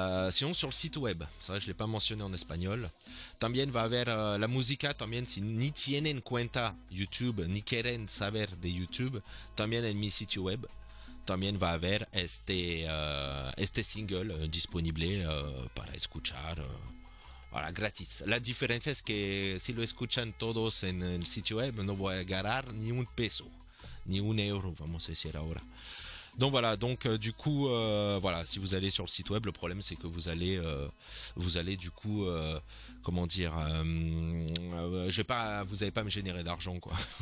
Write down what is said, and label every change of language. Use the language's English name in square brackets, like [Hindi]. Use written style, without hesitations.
[French] sinon sur le site web, ça je l'ai pas mentionné en espagnol. [Spanish] También va haber la música también si ni tienen cuenta YouTube ni quieren saber de YouTube, también en mi sitio web. También va haber este single disponible para escuchar voilà, gratis. La diferencia es que si lo escuchan todos en el sitio web, no voy a ganar ni un peso, ni un euro, vamos a decir ahora. [French] Donc voilà, donc du coup, voilà, si vous allez sur le site web, le problème c'est que vous allez du coup, comment dire, vous n'allez pas me générer d'argent quoi.